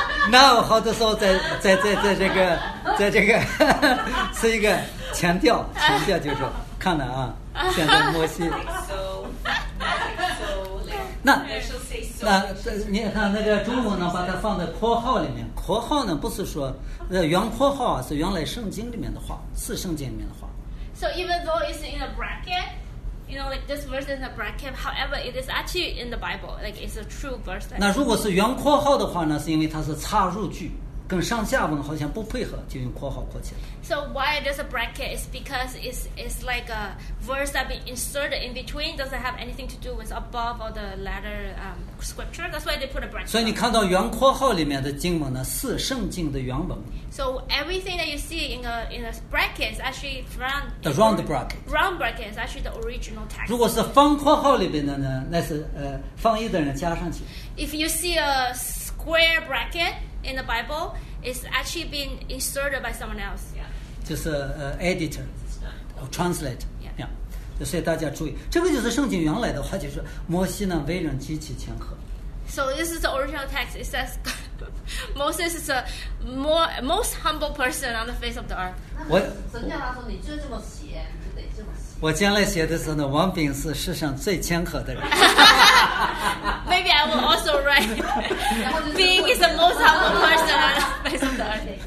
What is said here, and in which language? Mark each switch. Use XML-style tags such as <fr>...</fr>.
<zh>Now, 好多时候在这个，在这个是一个强调，强调就是说，看了啊，现在摩西。那你看那个中文呢，把它放在括号里面。括号呢，不是说原括号啊，是原来圣经里面的话，是圣经里面的话。</zh> <en>So even though it's in a bracket. You know, like this verse is a bracket. However, it is actually in the Bible. Like it's a true verse.</en> <zh>那如果是原括号的话呢？是因为它是插入句，跟上下文好像不配合，就用括号括起来。</zh> <en>So why there's a bracket is because it's like a verse that been inserted in between. Doesn't have anything to do with above or the latter scripture. That's why they put a bracket.</en> <zh>所以你看到原括号里面的经文呢，是圣经的原文。</zh> <en>So everything that you see in a bracket is actually from the round bracket. Round bracket is actually the original text.</en> <zh>如果是方括号里边的呢，那是翻译的人加上去。</zh> <en>If you see a square bracket in the Bible, it's actually been inserted by someone else. Yeah.</en> <zh>就是</zh> <en>editor or translator. Yeah. Yeah.</en> <zh>所以大家注意，这个就是圣经原来的话，就是摩西呢为人极其谦和。</zh> <en>So this is the original text. It says Moses is the most humble person on the face of the earth.</en> <zh>我神教他说你就这么写，你得这么写。我将来写的时候呢，王炳是世上最谦和的人。</zh> <en>Maybe I will also write being is the most humble person on the face of the earth.</en>